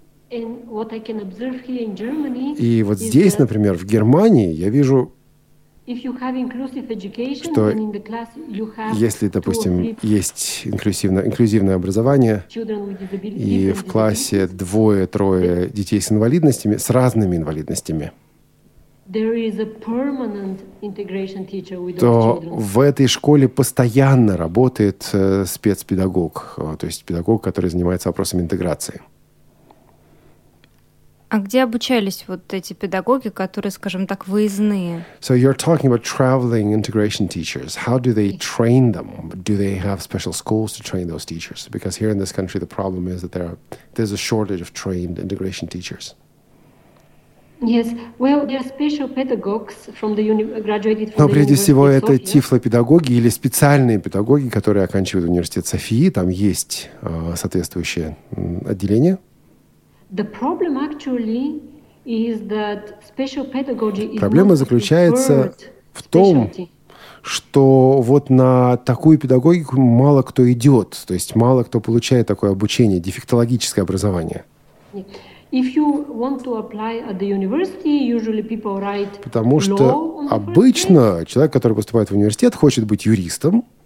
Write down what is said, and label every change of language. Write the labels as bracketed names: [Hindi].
[Russian] И вот здесь, например, в Германии, я вижу, что если, допустим, есть инклюзивное образование, и в классе двое-трое детей с инвалидностями, с разными инвалидностями, то в этой школе постоянно работает спецпедагог, то есть педагог, который занимается вопросами интеграции. А где обучались вот эти педагоги, которые, скажем так, выездные? [English] So you're talking about traveling integration teachers. How do they train them? Do they have special schools to train those teachers? Because here in this country the problem is that there's a shortage of trained integration teachers. Yes. Well, there are special pedagogues from the graduated from [Russian] Но прежде всего это тифлопедагоги или специальные педагоги, которые оканчивают университет Софии. Там есть соответствующее отделение. [English] The problem actually is that special pedagogy is [Russian] Проблема заключается в том, что вот на такую педагогику мало кто идет, то есть мало кто получает такое обучение, дефектологическое образование. [English] If you want to apply at the university, usually people write law. [Russian] Потому что обычно человек, который поступает в университет, хочет быть юристом.